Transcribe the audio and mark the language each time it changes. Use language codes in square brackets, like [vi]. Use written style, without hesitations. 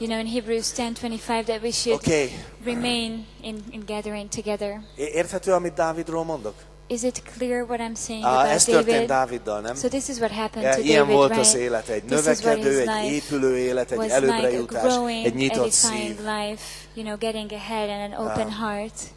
[en] You know, in Hebrews 10:25 that we should okay. remain in gathering together. [hu] Érthető, amit Dávidról mondok? [en] Is it clear what I'm saying about [hu] ez [en] David? [hu] Nem? [en] So this is what happened to [hu] ilyen [en] David, [hu] volt [en] right? [hu] az élete, egy növekedő, egy épülő élet, egy előrejutás, [en] like [hu] egy nyitott szív. [en] Life, you know, getting ahead and an open heart.